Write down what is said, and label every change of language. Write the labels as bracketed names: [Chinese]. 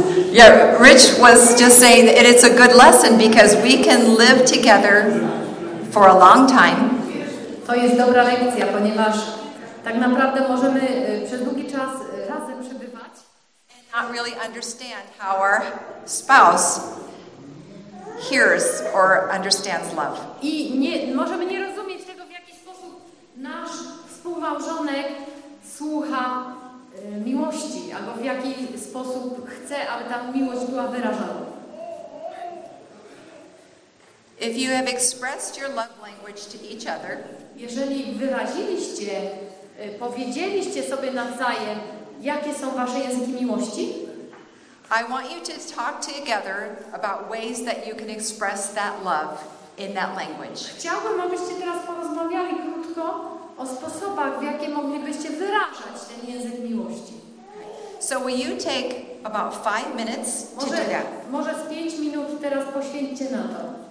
[English] Yeah, Rich was just saying that it's a good lesson because we can live together for a long time. [Polish] To jest dobra lekcja, ponieważ tak naprawdę możemy przez długi czas razem przebywać [English] and not really understand how our spouse hears or understands love. [Polish] I nie, możemy nie rozumieć tego, w jaki sposób nasz współmałżonek słucha miłości, albo w jaki sposób chce, aby ta miłość była wyrażana. [English] If you have expressed your love language to each other, [Polish] jeżeli wyraziliście, powiedzieliście sobie nawzajem, jakie są wasze języki miłości, [English] I want you to talk together about ways that you can express that love in that language. [Polish] Chciałbym, abyście teraz porozmawiali krótko o sposobach, w jakie moglibyście wyrażać ten język miłości. [English] So will you take about 5 minutes to do that? [Polish] Może z 5 minut teraz poświęćcie na to.